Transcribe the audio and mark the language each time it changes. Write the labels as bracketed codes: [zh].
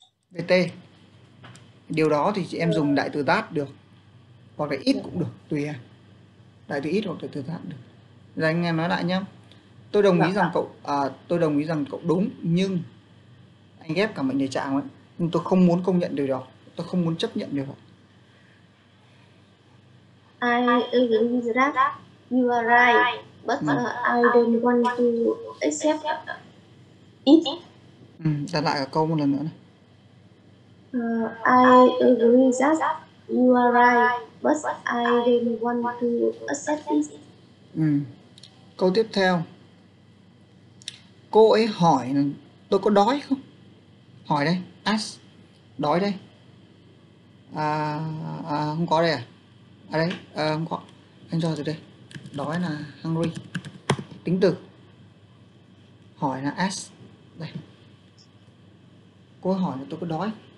[vi] VT. Điều đó thì chị em dùng đại từ that được, hoặc là it cũng được, tùy em. Đại từ it hoặc đại từ that được. Rồi anh em nói lại nhé. Tôi đồng ý rằng cậu tôi đồng ý rằng cậu đúng, nhưng anh ghép cả mệnh đề trạng ấy. Nhưng tôi không muốn công nhận điều đó, tôi không muốn chấp nhận điều đó. [en] I agree that you are right, but I don't want to accept it. [vi] Đặt lại cả câu một lần nữa này. [en] I agree that you are right, but I don't want to accept it. [vi] Câu tiếp theo. Cô ấy hỏi là tôi có đói không? Hỏi đây, ask. Đói đây. Không có đây à? À đây, không có. Anh cho từ đây. Đói là hungry. Tính từ. Hỏi là ask. Đây. Cô ấy hỏi là tôi có đói.